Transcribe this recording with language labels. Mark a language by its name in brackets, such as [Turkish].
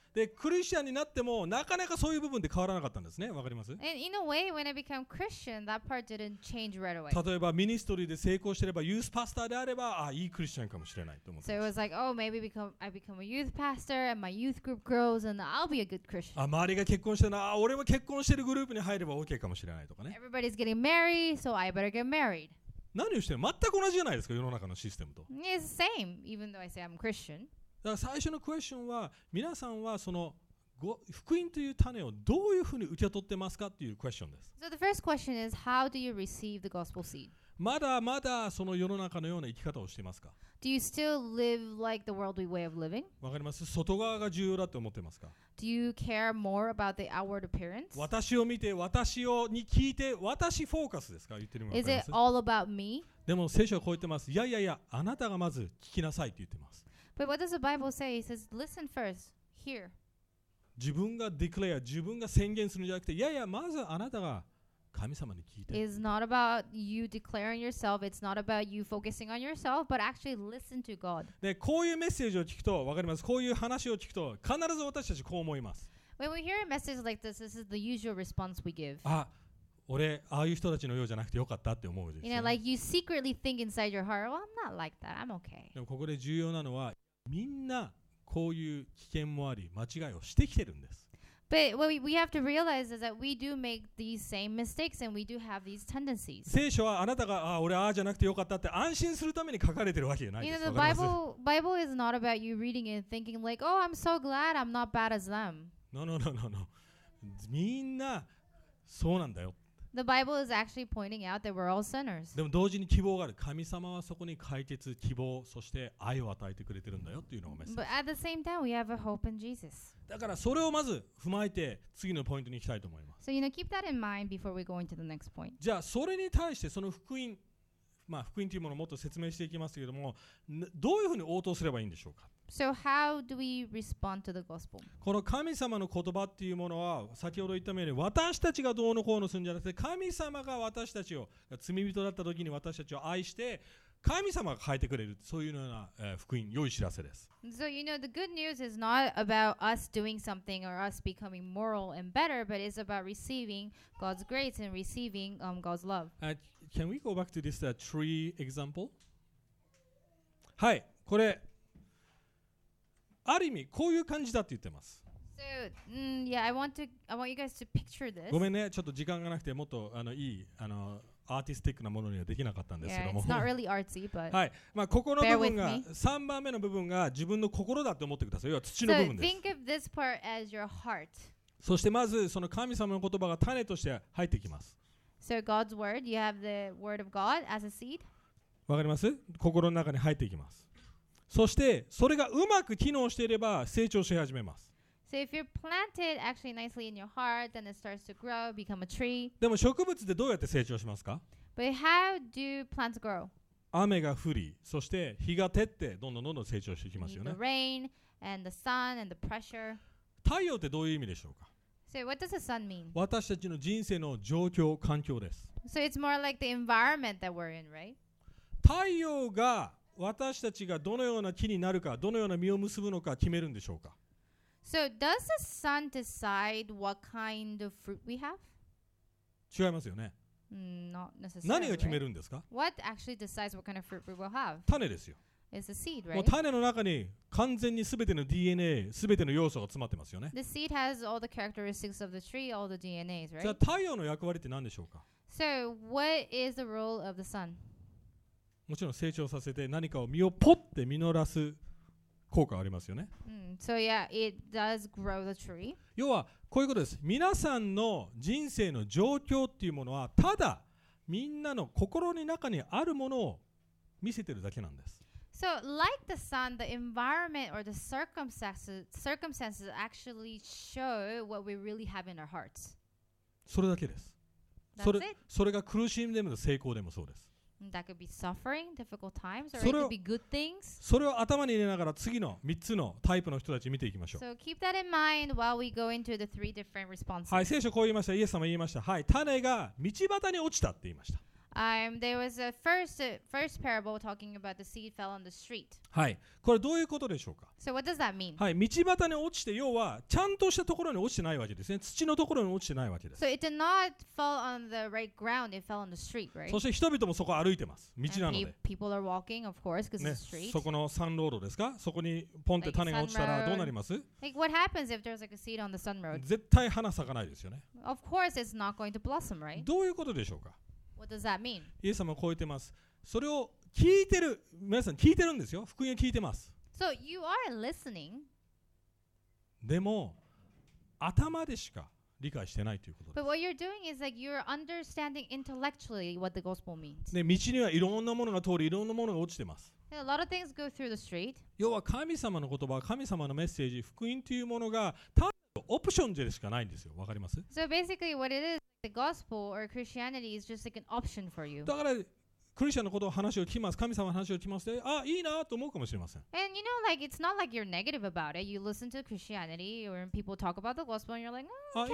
[Japanese] で、クリスチャンになってもなかなかそういう部分で変わらなかったんですね。わかります？ [English] And in a way, when I became Christian, that part didn't change right away. [Japanese] 例えばミニストリーで成功してれば、ユースパスターであれば、あ、いいクリスチャンかもしれないと思ってます。 [English] So it was like, oh, maybe I become a youth pastor and my youth group grows and I'll be a good Christian. [Japanese] あ、周りが結婚してるな、俺も結婚してるグループに入れば OK かもしれないとかね。 [English] Everybody's getting married, so I better get married. [Japanese] 何をしてる？全く同じじゃないですか、世の中のシステムと。 [English] It's the same, even though I say I'm Christian. [Japanese] だから最初のクエスチョンは、皆さんはその福音という種をどういうふうに受け取ってますかというクエスチョンです。 [English] So the first question is, how do you receive the gospel seed? [Japanese] まだまだその世の中のような生き方をしていますか? [English] Do you still live like the worldly way of living? [Japanese] わかります。外側が重要だと思ってますか? [English] Do you care more about the outward appearance? [Japanese] 私を見て、私をに聞いて、私フォーカスですか? 言ってるのわかります? [English] Is it all about me? [Japanese] でも聖書はこう言ってます。いやいやいや、あなたがまず聞きなさいと言ってます。 [English] But what does the Bible say? He says, listen first, hear. [Japanese] 自分がディクレア、自分が宣言するんじゃなくて、いやいや、まずあなたが神様に聞いて。 [English] It's not about you declaring yourself. It's not about you focusing on yourself, but actually listen to God. [Japanese] で、こういうメッセージを聞くと、わかります。こういう話を聞くと、必ず私たちこう思います。 [English] When we hear a message like this, this is the usual response we give. [Japanese] あ、俺、ああいう人たちのようじゃなくてよかったって思うですよ。 [English] You know, like you secretly think inside your heart, well, I'm not like that. I'm okay. [Japanese] でもここで重要なのは、みんな、こういう危険もあり間違いをしてきてるんです。 [English] But what we have to realize is that we do make these same mistakes and we do have these tendencies. [Japanese] 聖書はあなたが、ああ、俺ああじゃなくてよかったって安心するために書かれてるわけじゃないです。 [English] You know, the Bible is not about you reading it and thinking like, oh, I'm so glad I'm not bad as them. [Japanese] No. みんなそうなんだよ。 [English] The Bible is actually pointing out that we're all sinners. [Japanese] でも同時に希望がある。神様はそこに解決、希望、そして愛を与えてくれてるんだよっていうのをメッセージ。 [English] But at the same time, we have a hope in Jesus. [Japanese] だからそれをまず踏まえて次のポイントに行きたいと思います。 [English] So you know, keep that in mind before we go into the next point. [Japanese] じゃあそれに対してその福音、まあ福音というものをもっと説明していきますけれども、どういうふうに応答すればいいんでしょうか。 [English] So how do we respond to the gospel? [Japanese] この神様の言葉っていうものは先ほど言ったように私たちがどうのこうのするんじゃなくて神様が私たちを罪人だった時に私たちを愛して神様が変えてくれるそういうような、福音良い知らせです。 [English] So you know the good news is not about us doing something or us becoming moral and better but it's about receiving God's grace and receiving God's love. Can we go back to this tree example? [Japanese] はい、これある意味こういう感じだって言ってます。 [English] So, yeah, I want you guys to picture this. [Japanese] ごめんね、ちょっと時間がなくてもっとあのいいあのアーティスティックなものにはできなかったんですけども。 [English] Yeah, it's not really artsy, but [Japanese] はい、まあここの部分が3番目の部分が自分の心だって思ってください。要は土の部分です。 [English] So think of this part as your heart. [Japanese] そしてまずその神様の言葉が種として入ってきます。 [English] So God's word, you have the word of God as a seed. [Japanese] わかります？心の中に入ってきます。そしてそれがうまく機能していれば成長し始めます。 [English] So if you're planted actually nicely in your heart, then it starts to grow, become a tree. [Japanese] でも植物でどうやって成長しますか? [English] But how do plants grow? [Japanese] 雨が降り、そして日が照ってどんどん成長していきますよね。 [English] The rain and the sun and the pressure. [Japanese] 太陽ってどういう意味でしょうか? [English] So what does the sun mean? [Japanese] 私たちの人生の状況、環境です。 [English] So it's more like the environment that we're in, right? [Japanese] 太陽が私たちがどのような木になるか、どのような実を結ぶのか決めるんでしょうか。 [English] So does the sun decide what kind of fruit we have? [Japanese] 違いますよね。 [English] Not necessarily. [Japanese] 何が決めるんですか。 [English] What actually decides what kind of fruit we will have? [Japanese] 種ですよ。 [English] It's a seed, right? [Japanese] もう種の中に完全にすべての DNA、すべての要素が詰まってますよね。 [English] The seed has all the characteristics of the tree, all the DNAs, right? [Japanese] じゃあ太陽の役割って何でしょうか。 [English] So what is the role of the sun? [Japanese] もちろん成長させて何かを実をポッて実らす効果ありますよね。 [English] So yeah, it does grow the tree. [Japanese] 要はこういうことです。皆さんの人生の状況っていうものはただみんなの心の中にあるものを見せてるだけなんです。 [English] So like the sun, the environment or the circumstances actually show what we really have in our hearts. [Japanese] それだけです。それが苦しみでも成功でもそうです。 [English] That could be suffering, difficult times, or it could be good things. [Japanese] それを頭に入れながら次の3つのタイプの人たち見ていきましょう。 [English] So keep that in mind while we go into the three different responses. [Japanese] はい、聖書こう言いました。イエス様言いました。はい、種が道端に落ちたって言いました。 [English] There was a first parable talking about the seed fell on the street. [Japanese] はい、これどういうことでしょうか。 [English] So what does that mean? [Japanese] はい、道端に落ちて、要はちゃんとしたところに落ちてないわけですね。土のところに落ちてないわけです。 [English] So it did not fall on the right ground. It fell on the street, right? [Japanese] そして人々もそこ歩いてます。道なので。 [English] People are walking, of course, because it's a street. [Japanese] そこのサンロードですか。そこにポンって種が落ちたらどうなります [English] ？Like what happens if there's like a seed on the sun road? [Japanese] 絶対花咲かないですよね。 [English] Of course, it's not going to blossom, right? [Japanese] どういうことでしょうか。 [English] What does that mean? [Japanese] イエス様はこう言ってます。それを聞いてる、皆さん聞いてるんですよ。福音を聞いてます。 [English] So you are listening. [Japanese] でも、頭でしか理解してないということです。 [English] But what you're doing is like you're understanding intellectually what the gospel means. [Japanese] ね、道にはいろんなものが通り、いろんなものが落ちてます。 [English] A lot of things go through the street. [Japanese] 要は神様の言葉、神様のメッセージ、福音というものがただオプションでしかないんですよ。わかります？ [English] So basically what it is, the gospel or Christianity is just like an option for you. [Japanese] だからクリスチャンのことを話を聞きます。神様の話を聞きますで、あ、いいなと思うかもしれません。 [English] And you know, like, it's not like you're negative about it. You listen to Christianity or people talk about the gospel and you're like, oh, okay,